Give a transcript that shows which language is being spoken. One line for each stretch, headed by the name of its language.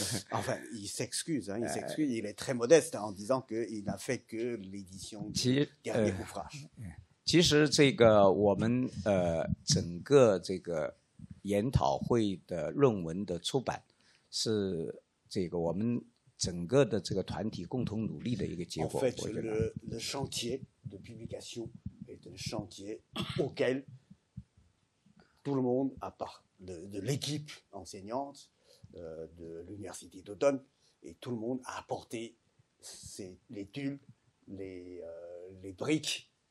French: Enfin, il s'excuse, hein, il est très modeste en disant qu'il n'a fait que l'édition du dernier ouvrage.
Chinese: 其实这个我们整个这个研讨会的论文的出版是这个我们整个的这个团体共同努力的一个结果。
French: En fait, le chantier de publication est un chantier auquel tout le monde, à part de l'équipe enseignante de l'Université d'Automne, et tout le monde a apporté les tuiles, les briques.